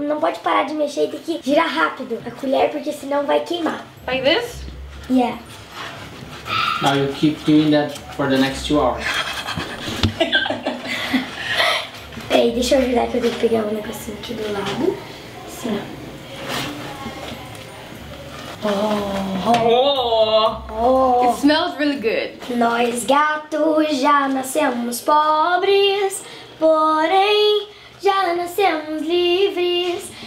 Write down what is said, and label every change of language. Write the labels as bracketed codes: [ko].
[pt] Não pode parar de mexer e tem que girar rápido a colher porque senão vai queimar. [en] Like this? Yeah. Now you keep doing that for the next 2 hours. [pt] Peraí, deixa eu ajudar que eu tenho que pegar um negocinho aqui do lado. Assim, ó. Oh, oh. Oh. Oh. [en] It smells really good. [pt] Nós gatos já nascemos pobres, porém já nascemos livres.